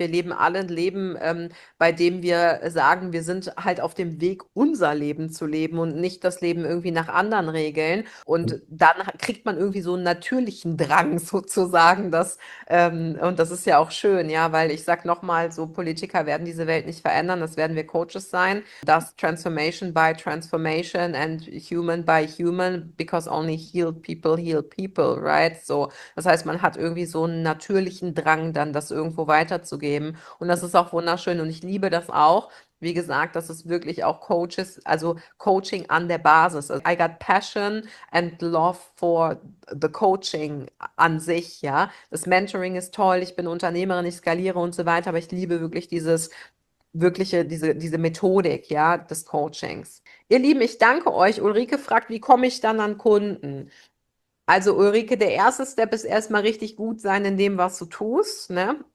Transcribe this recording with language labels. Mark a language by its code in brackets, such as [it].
[de] Und wir leben alle ein Leben, bei dem wir sagen, wir sind halt auf dem Weg, unser Leben zu leben und nicht das Leben irgendwie nach anderen Regeln. Und dann kriegt man irgendwie so einen natürlichen Drang sozusagen, das, und das ist ja auch schön, ja, weil ich sag nochmal, so Politiker werden diese Welt nicht verändern, das werden wir Coaches sein. [en] Das Transformation by Transformation and Human by Human, because only healed people heal people, right? [de] So, das heißt, man hat irgendwie so einen natürlichen Drang, dann das irgendwo weiterzugeben. Und das ist auch wunderschön. Und ich liebe das auch. Wie gesagt, das ist wirklich auch Coaches, also Coaching an der Basis. [en] I got passion and love for the coaching [de] an sich, ja. Das Mentoring ist toll. Ich bin Unternehmerin, ich skaliere und so weiter. Aber ich liebe wirklich dieses wirkliche, diese Methodik, ja, des Coachings. Ihr Lieben, ich danke euch. Ulrike fragt, wie komme ich dann an Kunden? Also Ulrike, der erste Step ist erstmal richtig gut sein in dem, was du tust, ne?